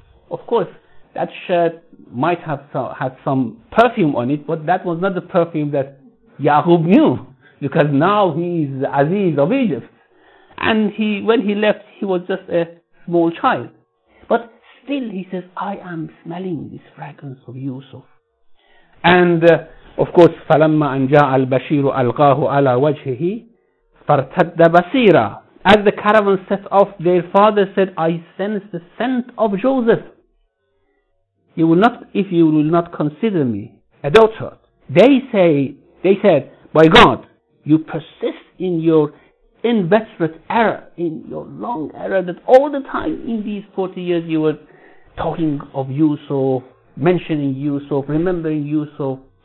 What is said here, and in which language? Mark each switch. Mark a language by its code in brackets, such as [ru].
[en] Of course, that shirt might have had some perfume on it, but that was not the perfume that Ya'qub knew, because now he is the Aziz of Egypt. And when he left, he was just a small child. But still, he says, I am smelling this fragrance of Yusuf. And of course, [ar] فَلَمَّا أَنْ جَاءَ الْبَشِيرُ أَلْقَاهُ عَلَى وَجْهِهِ فَارْتَدَّ بَصِيرًا. [en] As the caravan set off, their father said, I sense the scent of Joseph. If you will not consider me a daughter. They said, by God, you persist in your inveterate error, in your long error, that all the time in these 40 years you were talking of Yusuf, mentioning Yusuf, remembering Yusuf.